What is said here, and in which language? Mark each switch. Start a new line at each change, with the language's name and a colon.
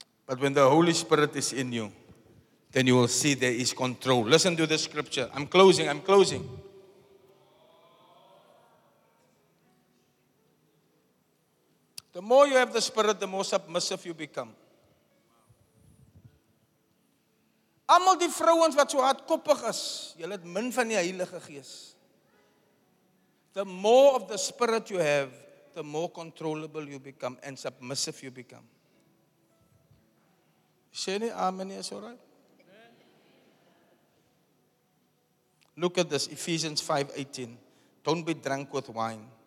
English: But when the Holy Spirit is in you, then you will see there is control. Listen to the scripture. I'm closing. The more you have the spirit, the more submissive you become.
Afrikaans: Almal die vrouens wat so hardkoppig is, julle het min van die Heilige Gees.
English: The more of the spirit you have, the more controllable you become and submissive you become.
Afrikaans: Sê nie amen nie,
English: is all right? Look at this, Ephesians 5:18. Don't be drunk with wine.